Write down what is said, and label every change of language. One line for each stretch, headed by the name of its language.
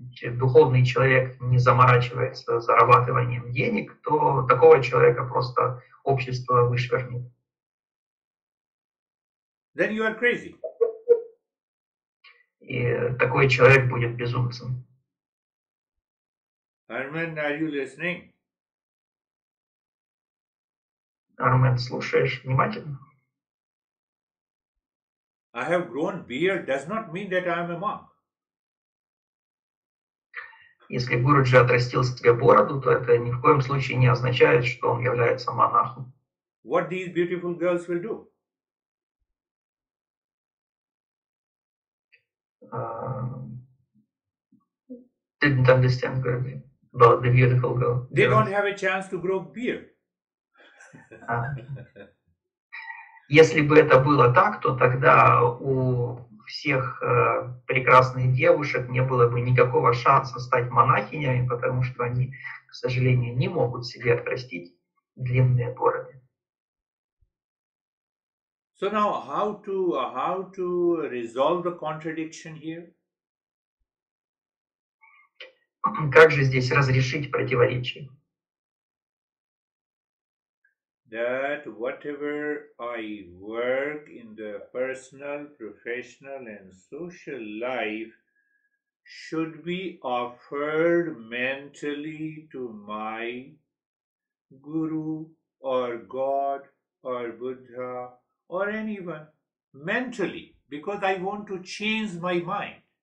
Russian: духовный человек не заморачивается зарабатыванием денег, то такого человека просто общество вышвырнет.
English: Then you are crazy.
Russian: И такой человек будет безумцем.
English: Армен, are you listening?
Russian: Армен, слушаешь внимательно?
English: I have grown beard does not mean that I am a monk.
Russian: Если Гуруджи отрастил себе бороду, то это ни в коем случае не означает, что он является монахом.
English: What these beautiful girls will do? Didn't understand Gurdi about the beautiful girl. They don't have a chance to grow beard.
Russian: Если бы это было так, то тогда у всех прекрасных девушек не было бы никакого шанса стать монахинями, потому что они, к сожалению, не могут себе отрастить длинные бороды.
English: So now how to resolve the contradiction here?
Russian: Как же здесь разрешить противоречие?
English: That whatever I work in the personal, professional and social life should be offered mentally to my guru or God or Buddha or anyone mentally, because I want to change my mind.